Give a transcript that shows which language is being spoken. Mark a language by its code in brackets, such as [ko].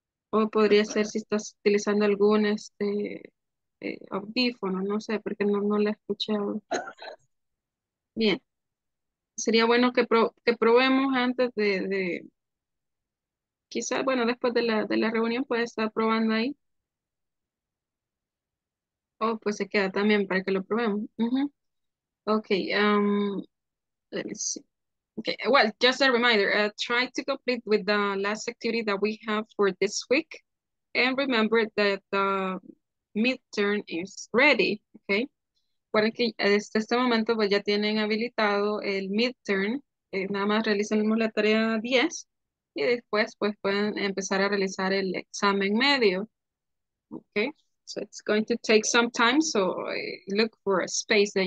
[es] O podría ser si estás utilizando algún audífono, no sé, porque no la escuché ahora. Bien. Sería bueno que probemos antes de quizás, bueno, después de la reunión puedes estar probando ahí. O pues se queda también para que lo probemos. [en] Uh-huh. Okay, let me see. Okay, well, just a reminder, try to complete with the last activity that we have for this week. And remember that the midterm is ready, okay? [es] Bueno, que hasta este momento pues, ya tienen habilitado el midterm. Nada más realicen la tarea 10 y después pues, pueden empezar a realizar el examen medio, okay? [en] So it's going to take some time, so look for a space that